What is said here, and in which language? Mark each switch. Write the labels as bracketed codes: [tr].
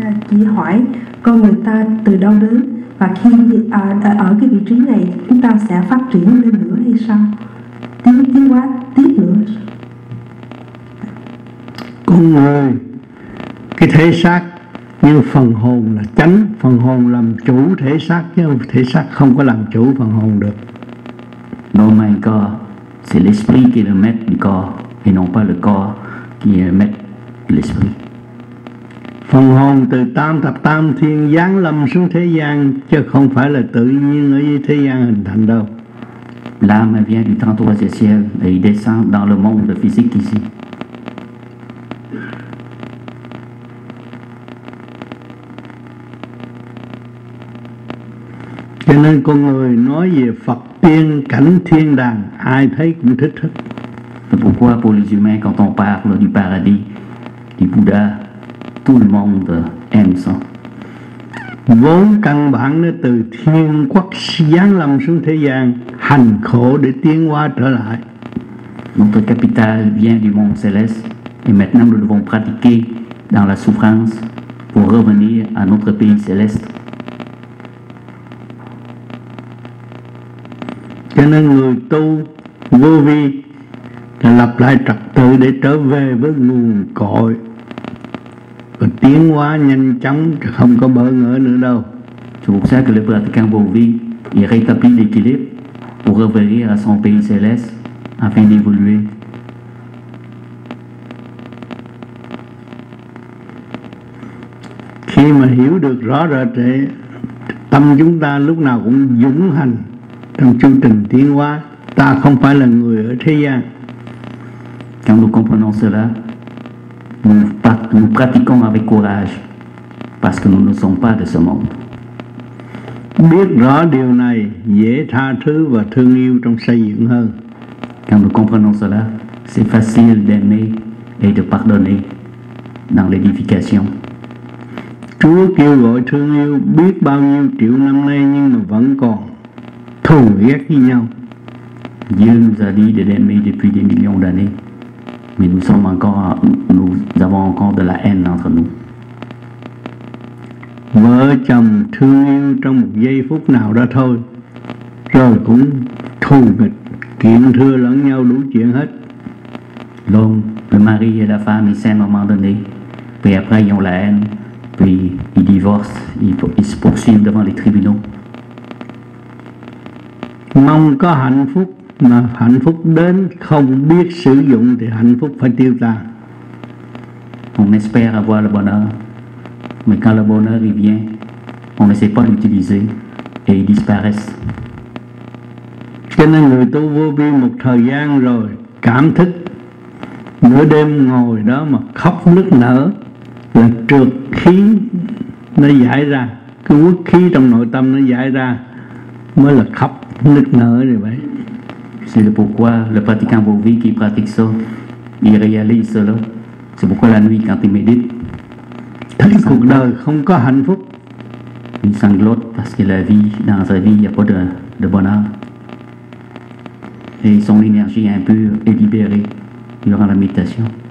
[vi] Chị hỏi con người ta từ đâu đến và khi ở cái vị trí này chúng ta sẽ phát triển lên nữa hay sao, tiến hóa tiếp nữa. Con người cái thể xác như phần hồn là chánh, phần hồn làm chủ thể xác chứ thể xác không có làm chủ phần hồn được. [fr] Non mais le corps, c'est l'esprit qui est le maître du corps et non pas le corps qui est le maître de l'esprit. [vi] Phần hồn từ tam thập tam thiên giáng lâm xuống thế gian chứ không phải là tự nhiên ở thế gian hình thành đâu. [fr] L'âme vient du 33e ciel et il descend dans le monde physique ici. [vi] Cho nên con người nói về Phật tiên cảnh thiên đàng ai thấy cũng thích hết. [fr] Pourquoi pour les humains quand on parle du paradis du Bouddha, tout le monde aime ça. [vi] Vốn căn bản nó từ thiên quốc giáng lâm xuống thế gian hành khổ để tiến hóa trở lại. [fr] Notre capital vient du monde céleste et maintenant nous devons pratiquer dans la souffrance pour revenir à notre pays céleste. [vi] Cho nên người tu vô vi là lập lại trật tự để trở về với nguồn cội và tiến hóa nhanh chóng, không có bỡ ngỡ nữa đâu. [fr] C'est pour ça que le pratiquant vô vi il rétablit l'équilibre pour revenir à son pays céleste afin d'évoluer. [vi] Khi mà hiểu được rõ rệt thì tâm chúng ta lúc nào cũng dũng hành trong chương trình tiến hóa. Ta không phải là người ở thế gian. [fr] Quand nous comprenons cela, nous pratiquons avec courage parce que nous ne sommes pas de ce monde. [vi] Biết rõ điều này dễ tha thứ và thương yêu trong xây dựng hơn. [fr] Quand nous comprenons cela, c'est facile d'aimer et de pardonner dans l'édification. [vi] Chúa kêu gọi thương yêu biết bao nhiêu triệu năm nay nhưng mà vẫn còn thù ghét với nhau. [fr] Dieu nous a dit de l'aimer depuis des millions d'années. mais nous sommes encore, nous avons encore de la haine entre nous. [vi] Vợ chồng thương yêu trong một giây phút nào đó thôi, rồi cũng thù nghịch, kiện thưa lẫn nhau đủ chuyện hết. [fr] L'homme, le mari et la femme, ils s'aiment à un moment donné, puis après ils ont la haine, puis ils divorcent, ils se poursuivent devant les tribunaux. [vi] Mong có hạnh phúc, mà hạnh phúc đến không biết sử dụng thì hạnh phúc phải tiêu tan. [fr] On espère avoir le bonheur, mais quand le bonheur il vient, on ne sait pas l'utiliser et il disparaît. [vi] Cho nên người tu vô vi một thời gian rồi cảm thức, nửa đêm ngồi đó mà khóc nức nở là trượt khí nó giải ra, cái uất khí trong nội tâm nó giải ra mới là khóc nức nở như vậy. [fr] C'est pourquoi le pratiquant vô vi qui pratique ça, il réalise cela. C'est pourquoi la nuit quand il médite, [vi] thấy cuộc đời không có hạnh phúc. [fr] Il sanglote parce que la vie, dans sa vie, il n'y a pas de bonheur. Et son énergie impure est libérée durant la méditation.